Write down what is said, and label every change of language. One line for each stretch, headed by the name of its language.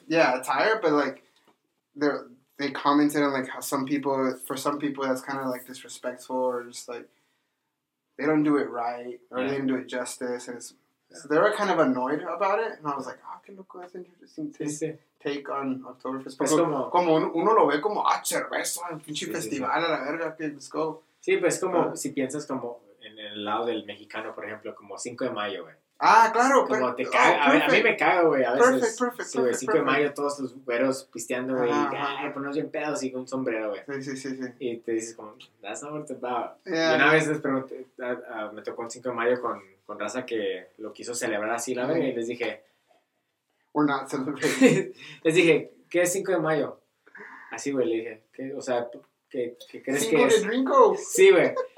English: Yeah, attire, but like they commented on like how some people that's kind of like disrespectful, or just like they don't do it right, or they didn't do it justice, and so they were kind of annoyed about it. And I was like, ah, oh,
Spanish: qué loco,
English: that's interesting take on Oktoberfest.
Spanish: Es como uno lo ve como, ah, cerveza, pinche festival, a la verga, que
English: let's go.
Spanish: Sí, pues como si piensas como en el lado del mexicano, por ejemplo, como 5 de mayo, güey. Ah, claro, como te cae, a mí me cago, güey, a veces.
English: Perfect,
Spanish: sí, güey, 5 de mayo, todos los güeros pisteando, güey, y ponernos bien pedos y con un sombrero, güey. Sí. Y te dices como,
English: that's not what it's about.
Spanish: Una vez les pregunté, me tocó un 5 de mayo con raza que lo quiso celebrar así, la verdad, y les dije...
English: We're not celebrating.
Spanish: Les dije, ¿qué es 5 de mayo? Así, güey, le dije, ¿qué? O sea... ¿Qué crees que es? ¿Cinco de drinko? Sí, güey.